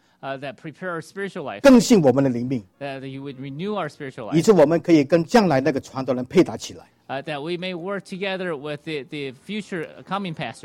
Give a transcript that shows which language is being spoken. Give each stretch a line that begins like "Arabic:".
English: That prepare our spiritual life.
Chinese: 更新我们的灵命。
English: That you would renew our spiritual life.
Chinese: 以致我们可以跟将来那个传道人配搭起来。
English: That we may work together with the future coming pastor.